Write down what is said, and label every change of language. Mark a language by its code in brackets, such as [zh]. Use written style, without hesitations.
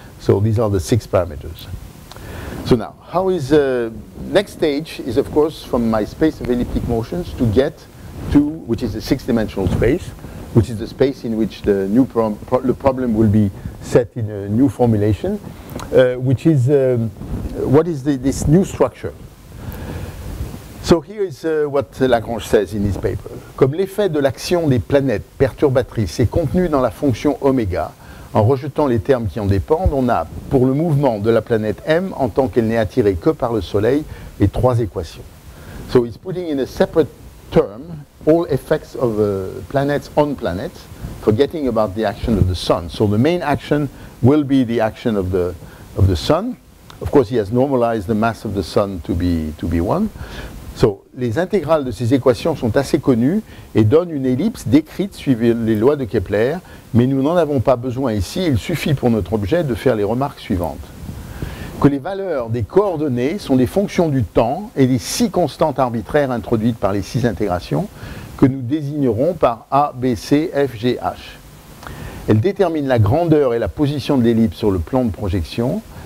[en] So these are the six parameters. So now, how is the next stage is, of course, from my space of elliptic motions to get to, which is a six-dimensional space, which is the space in which the new problem will be set in a new formulation, which is, what is this new structure? So here is what Lagrange says in his paper. [fr] Comme l'effet de l'action des planètes perturbatrices est contenu dans la fonction oméga, en rejetant les termes qui en dépendent, on a, pour le mouvement de la planète M, en tant qu'elle n'est attirée que par le Soleil, les trois équations. [en] So he's putting in a separate term all effects of planets on planets, forgetting about the action of the Sun. So the main action will be the action of the Sun. Of course, he has normalized the mass of the Sun to be one. [fr] So, les intégrales de ces équations sont assez connues et donnent une ellipse décrite suivant les lois de Kepler, mais nous n'en avons pas besoin ici, il suffit pour notre objet de faire les remarques suivantes. Que les valeurs des coordonnées sont des fonctions du temps et des six constantes arbitraires introduites par les six intégrations que nous désignerons par A, B, C, F, G, H. Elles déterminent la grandeur et la position de l'ellipse sur le plan de projection.